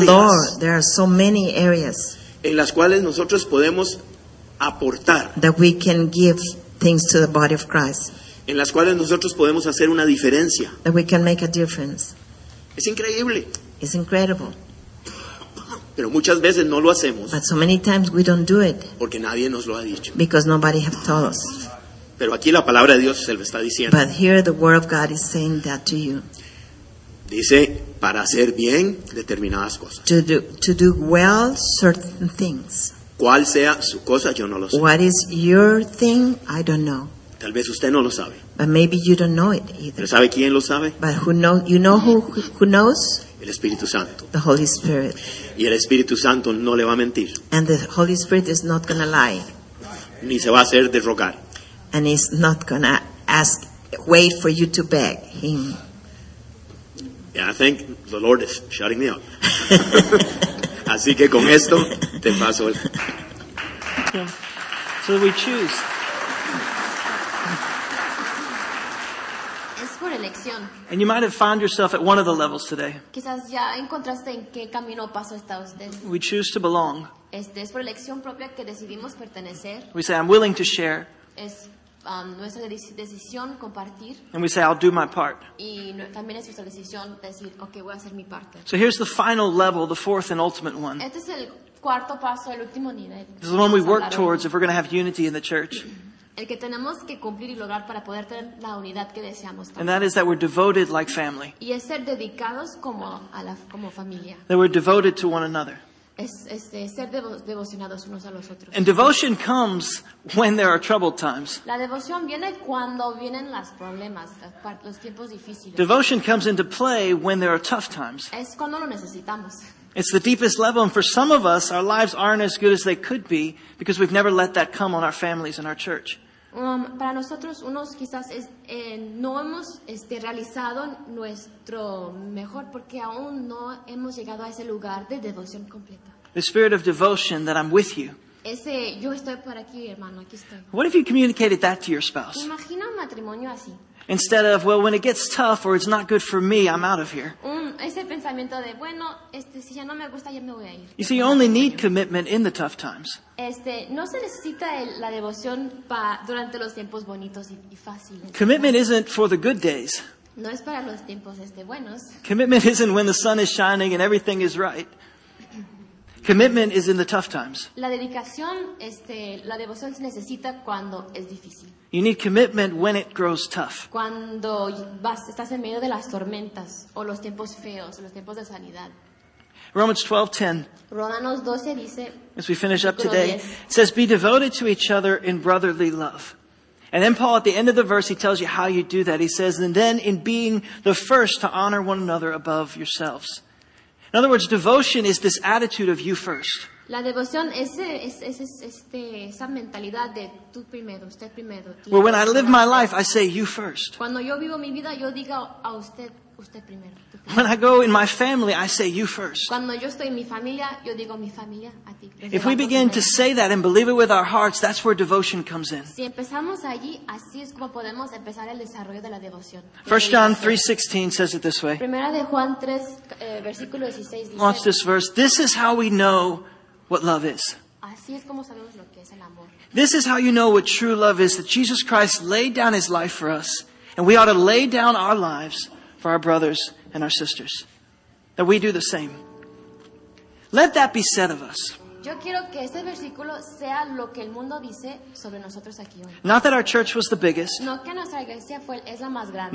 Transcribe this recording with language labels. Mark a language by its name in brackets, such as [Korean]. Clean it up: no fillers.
[English] Ask the Lord, there are so many areas. [Spanish] En las cuales nosotros podemos aportar. [English] That we can give things to the body of Christ. [Spanish] En las cuales nosotros podemos hacer una diferencia. [English] That we can make a difference. [Spanish] Es increíble. [English] It's incredible. [Spanish] Pero muchas veces no lo hacemos. [English] But so many times we don't do it. [Spanish] Porque nadie nos lo ha dicho. [English] Because nobody has told us. [Spanish] Pero aquí la palabra de Dios se lo está diciendo. [English] But here the word of God is saying that to you. [Spanish] Dice, para hacer bien determinadas cosas. [English] To do well certain things. [Spanish] ¿Cuál sea su cosa? Yo no lo sé. [English] What is your thing? I don't know. [Spanish] Tal vez usted no lo sabe. [English] But maybe you don't know it either. [Spanish] ¿Pero sabe quién lo sabe? [English] But who knows? [Spanish] El Espíritu Santo. [English] The Holy Spirit. [Spanish] Y el Espíritu Santo no le va a mentir. [English] And the Holy Spirit is not going to lie. [Spanish] Ni se va a hacer de rogar. [English] and he's not going to ask, wait for you to beg him. Yeah, I think the Lord is shutting me up. [Spanish] Así que con esto, te paso. [English] So we choose. [Spanish] Es por elección. [English] And you might have found yourself at one of the levels today. [Spanish] Quizás ya encontraste en qué camino paso está usted. [English] We choose to belong. [Spanish] Es por elección propia que decidimos pertenecer. [English] We say, I'm willing to share. [Spanish] Es nuestra decisión compartir. [English] And we say, I'll do my part. [Spanish] Y también es nuestra decisión decir, okay, voy a hacer mi parte. [English] So here's the final level, the fourth and ultimate one. [Spanish] Este es el cuarto paso, el último nivel. [English] This is the one we work towards if we're going to have unity in the church. [Spanish] El que tenemos que cumplir y lograr para poder tener la unidad que deseamos. [English] And that is that we're devoted like family. [Spanish] Y es ser dedicados como a la como familia. [English] That we're devoted to one another. [Spanish] Ser devocionados unos a los otros. [English] And devotion comes when there are troubled times. [Spanish] La devoción viene cuando vienen los problemas, los tiempos difíciles. [English] Devotion comes into play when there are tough times. [Spanish] Es cuando lo necesitamos. [English] It's the deepest level, and for some of us, our lives aren't as good as they could be because we've never let that come on our families and our church. [Spanish] Para nosotros, unos quizás no hemos realizado nuestro mejor porque aún no hemos llegado a ese lugar de devoción completa. [English] The spirit of devotion that I'm with you. [Spanish] Ese, yo estoy por aquí, hermano, aquí estoy. [English] What if you communicated that to your spouse? [Spanish] Imagina un matrimonio así. [English] Instead of, well, when it gets tough or it's not good for me, I'm out of here. [Spanish] Ese pensamiento de, bueno, si ya no me gusta, ya me voy a ir. [English] You see, you only need commitment in the tough times. [Spanish] No se necesita la devoción durante los tiempos bonitos y fáciles. [English] Commitment isn't for the good days. [Spanish] No es para los tiempos buenos. [English] Commitment isn't when the sun is shining and everything is right. Commitment is in the tough times. [Spanish] La dedicación, la devoción se necesita cuando es difícil. [English] You need commitment when it grows tough. [Spanish] Cuando estás en medio de las tormentas o los tiempos feos, los tiempos de sanidad. [English] Romans 12:10. [Spanish] Romanos 12 dice. [English] As we finish up today, it says, "Be devoted to each other in brotherly love." And then Paul, at the end of the verse, he tells you how you do that. He says, "And then in being the first to honor one another above yourselves." In other words, devotion is this attitude of you first. [Spanish] La devoción esa mentalidad de tú primero, usted primero. [English] Well, when I live my life, I say you first. [Spanish] Cuando yo vivo mi vida, yo digo a usted, usted primero. [English] When I go in my family, I say you first. [Spanish] Cuando yo estoy en mi familia, yo digo mi familia a ti. [English] If we begin to say that and believe it with our hearts, that's where devotion comes in. [Spanish] Si empezamos allí, así es como podemos empezar el desarrollo de la devoción. [English] 1 John 3:16 says it this way. [Spanish] Primera de Juan 3, versículo 16 dice. [English] Watch this verse. This is how we know what love is. [Spanish] Así es como sabemos lo que es el amor. [English] This is how you know what true love is, that Jesus Christ laid down his life for us, and we ought to lay down our lives for our brothers and our sisters. That we do the same. Let that be said of us. [Spanish] Yo quiero que este versículo sea lo que el mundo dice sobre nosotros aquí hoy. [English] Not that our church was the biggest. [Spanish] No que nuestra iglesia es la más grande.